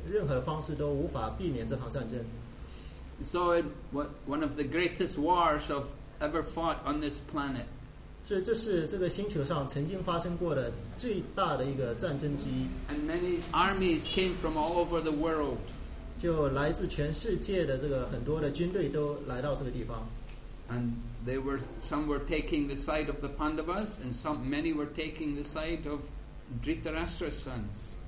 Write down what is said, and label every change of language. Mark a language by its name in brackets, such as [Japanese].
[Chinese] 这样的话，这个战争就是不可避免的，无论任何方式都无法避免这场战争。 [English] So it was one of the greatest wars of ever fought on this planet. [Chinese] 所以这是这个星球上曾经发生过的最大的一个战争之一。 [English] And many armies came from all over the world. [Chinese] 就来自全世界的这个很多的军队都来到这个地方。 [English] And some were taking the side of the Pandavas, and many were taking the side of Dhritarashtra's sons.